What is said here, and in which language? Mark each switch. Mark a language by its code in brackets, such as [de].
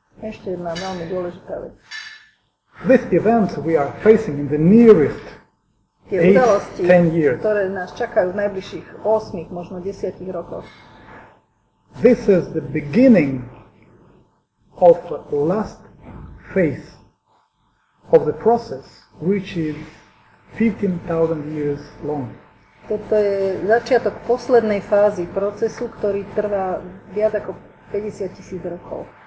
[sk] Ešte jedna veľmi dôležitá vec. [en] This event we are facing in the nearest 8-10 years. [sk] Ktoré nás čakajú v najbližších 8, možno 10 rokov. [en] This is the beginning of the last phase of the process which is 15,000 years long. [sk] Toto je začiatok poslednej fázy procesu, ktorý trvá viac ako 50 tisíc rokov.